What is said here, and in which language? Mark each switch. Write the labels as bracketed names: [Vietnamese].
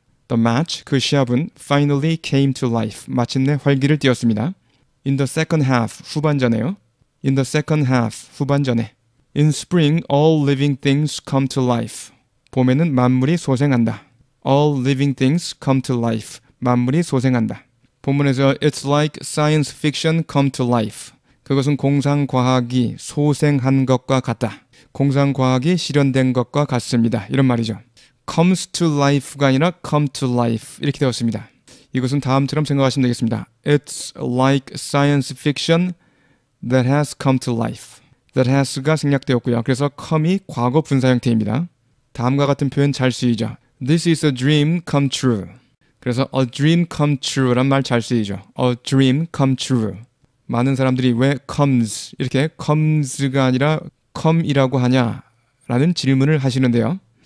[English] The match, [Korean] 그 시합은 [English] finally came to life. [Korean] 마침내 활기를 띄었습니다. [English] In the second half, [Korean] 후반전에요. [English] In the second half, [Korean] 후반전에. [English] In spring, all living things come to life. [Korean] 봄에는 만물이 소생한다. [English] All living things come to life. [Korean] 만물이 소생한다. 본문에서 [English] It's like science fiction come to life. [Korean] 그것은 공상과학이 소생한 것과 같다. 공상과학이 실현된 것과 같습니다. 이런 말이죠. comes to life가 아니라 come to life 이렇게 되었습니다. 이것은 다음처럼 생각하시면 되겠습니다. [English] It's like science fiction that has come to life. [Korean] that has가 생략되었고요. 그래서 come이 과거 분사 형태입니다. 다음과 같은 표현 잘 쓰이죠. [English] This is a dream come true. 그래서 a dream come true란 말 잘 쓰이죠. a dream come true. [Korean] 많은 사람들이 왜 comes 이렇게 comes가 아니라 come이라고 하냐 라는 질문을 하시는데요.